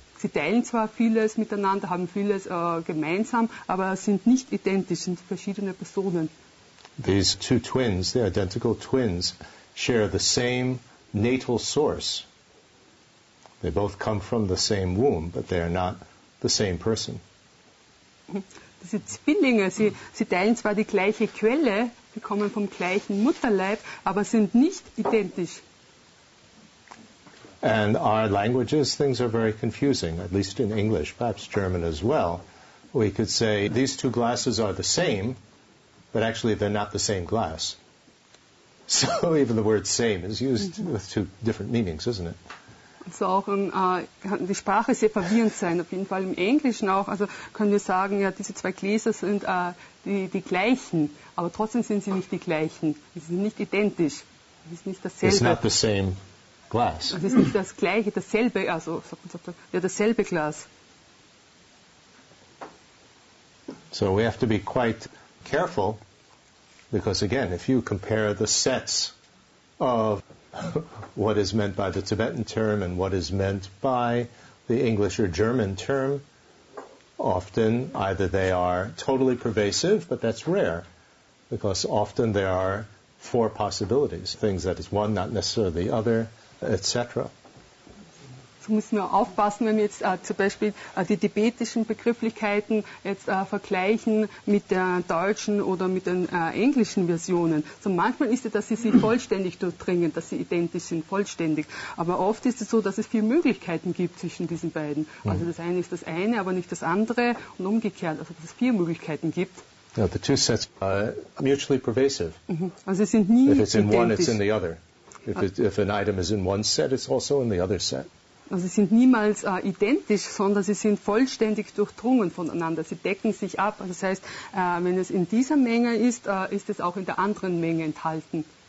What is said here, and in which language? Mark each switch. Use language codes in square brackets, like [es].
[de] Sie teilen zwar vieles miteinander, haben vieles gemeinsam, aber sind nicht identisch, sind verschiedene Personen. [en] These two twins, the identical twins, share the same natal source. They both come from the same womb, but they are not the same person. [de] Diese Zwillinge, sie teilen zwar die gleiche Quelle, sie kommen vom gleichen Mutterleib, aber sind nicht identisch. [en] And our languages, things are very confusing, at least in English, perhaps German as well. We could say, these two glasses are the same, but actually they're not the same glass. So even the word same is used with two different meanings, isn't it? [de] Also auch kann die Sprache sehr verwirrend sein, auf jeden Fall im Englischen auch. Also können wir sagen, ja, diese zwei Gläser sind die gleichen, aber trotzdem sind sie nicht die gleichen. Sie sind nicht identisch. Sie sind nicht dasselbe. [en] It's not the same glass. [de] Es ist nicht das gleiche, dasselbe, also ja, dasselbe Glas. [en] So we have to be quite careful, because again, if you compare the sets of what is meant by the Tibetan term and what is meant by the English or German term, often either they are totally pervasive, but that's rare, because often there are four possibilities, things that is one, not necessarily the other, etc. [de] So müssen wir aufpassen, wenn wir jetzt zum Beispiel die tibetischen Begrifflichkeiten jetzt vergleichen mit der deutschen oder mit den englischen Versionen. So manchmal ist es, dass sie sich vollständig durchdringen, dass sie identisch sind, vollständig. Aber oft ist es so, dass es viele Möglichkeiten gibt zwischen diesen beiden. Mm. Also das eine ist das eine, aber nicht das andere und umgekehrt. Also dass es viele Möglichkeiten gibt. [en] Yeah, the two sets are mutually pervasive. [de] Mm-hmm. Also sie sind nie [en] identisch. If it's in identisch. One, it's in the other. If an item is in one set, it's also in the other set. [de] Also sie sind niemals identisch, sondern sie sind vollständig durchdrungen voneinander. Sie decken sich ab. Das heißt, wenn es in dieser Menge ist, ist es auch in der anderen Menge enthalten.